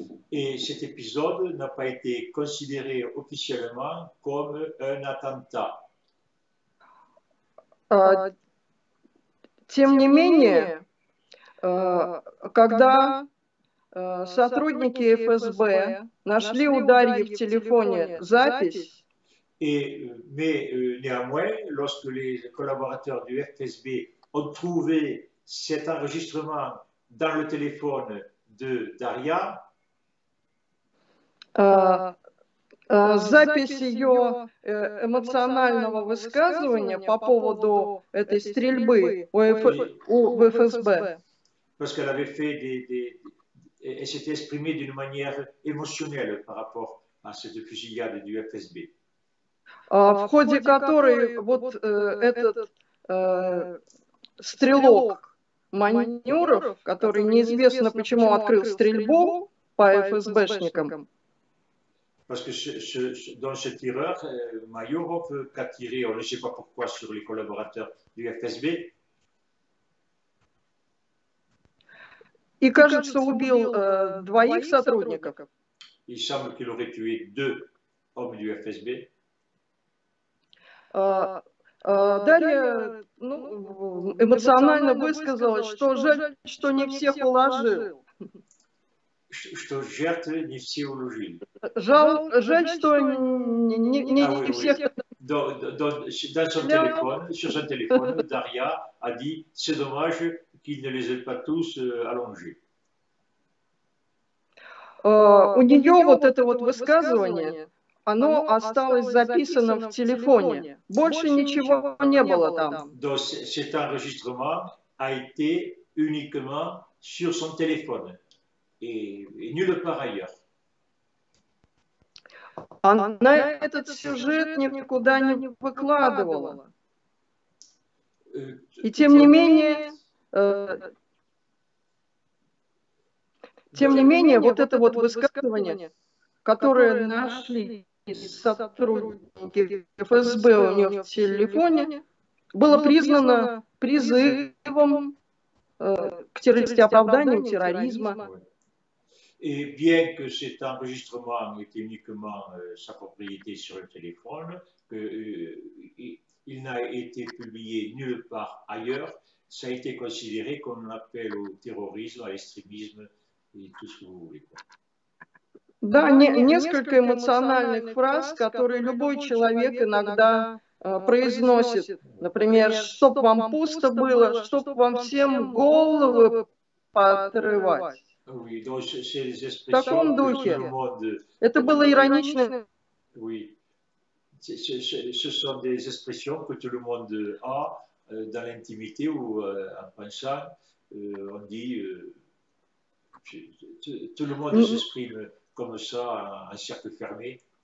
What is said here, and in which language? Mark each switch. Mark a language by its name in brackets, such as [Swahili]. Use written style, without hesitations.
[French] Et cet épisode n'a pas été considéré officiellement comme un attentat. [Russian] Тем не менее, когда сотрудники ФСБ нашли у Дарьи в телефоне запись, [French] Néanmoins, lorsque les collaborateurs du FSB ont trouvé cet enregistrement dans le téléphone de Daria, [Russian] Запись ее эмоционального высказывания по поводу этой стрельбы в ФСБ. [French] Parce qu'elle avait fait elle s'était exprimée d'une manière émotionnelle par rapport à cette fusillade du FSB. [Russian] В ходе которой вот этот стрелок Манюров, который неизвестно почему открыл стрельбу по ФСБшникам, [French] parce que ce tireur, Mayurov, qui a tiré, on ne sait pas pourquoi, sur les collaborateurs du FSB. [Russian] Et кажется, убил двоих сотрудников. [French] Il semble qu'il aurait tué deux hommes du FSB. [Russian] Дарья эмоционально высказала, что жаль, что не всех уложил. Что жертвы не все уложили. Жаль, что не всех. [French] Dans son téléphone, sur son téléphone, Daria a dit, c'est dommage qu'il ne les ait pas tous allongés. [Russian] У нее вот это вот высказывание, оно осталось записано в телефоне. Больше ничего не было там. [French] Cet enregistrement a été uniquement sur son téléphone. Et nulle part ailleurs. [Russian] Она этот сюжет никуда не выкладывала. И тем не менее, вот это вот высказывание, которое нашли сотрудники ФСБ у нее в телефоне, было признано призывом к террористическому оправданию терроризма. [French] Et bien que cet enregistrement ait uniquement sa propriété sur le téléphone, il n'a été publié nulle part ailleurs, ça a été considéré comme un appel au terrorisme, à l'extrémisme et tout ce que vous voulez. [Russian] Да, несколько эмоциональных фраз, которые любой человек иногда произносит. Например, чтоб вам пусто было, чтоб вам всем головы поотрывать. [French] Oui, donc c'est les expressions [Russian] в таком духе. [French] Dans le mode... [Russian] Это было иронично. [French] Oui. Ce sont des expressions que tout le monde a dans l'intimité ou en pensant. On dit... Tout le monde s'exprime comme ça, en cercle fermé.